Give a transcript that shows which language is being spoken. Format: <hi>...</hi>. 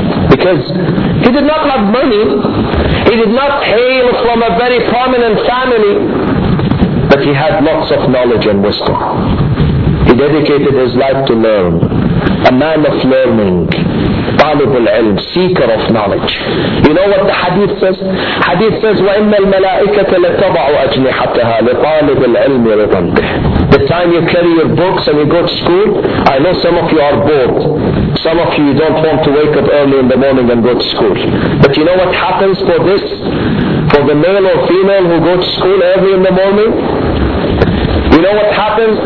<en>Because he did not have money, he did not hail from a very prominent family, but he had lots of knowledge and wisdom. He dedicated his life to learn. A man of learning,</en> <ar>طالب العلم,</ar> <en>seeker of knowledge. You know what the hadith says? Hadith says,</en> <ar>وَإِنَّ الْمَلَائِكَةَ لَتَضَعُ أَجْنِحَتَهَا لِطَالِبِ الْعِلْمِ رِضًا بِهِ.</ar> <en>The time you carry your books and you go to school, I know some of you are bored. Some of you don't want to wake up early in the morning and go to school. But you know what happens for this? For the male or female who go to school early in the morning? You know what happens?</en>